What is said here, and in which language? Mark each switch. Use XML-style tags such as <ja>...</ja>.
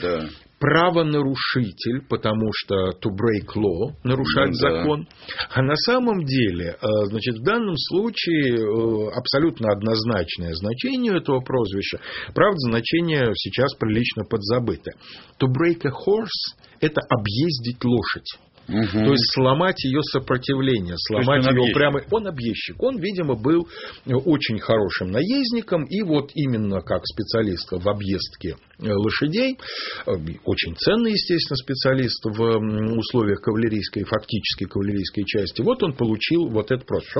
<ru>Да. Правонарушитель, потому что</ru> <en>to break law,</en> <ru>нарушать закон. А на самом деле, значит, в данном случае абсолютно однозначное значение этого прозвища. Правда, значение сейчас прилично подзабыто.</ru> <en>To break a horse –</en> <ru>это объездить лошадь. Угу. То есть сломать ее сопротивление, сломать ее прямо. Он объездчик. Он, видимо, был очень хорошим наездником, и вот именно как специалист в объездке лошадей, очень ценный, естественно, специалист в условиях кавалерийской, фактически кавалерийской части, вот он получил вот этот прозвище.</ru>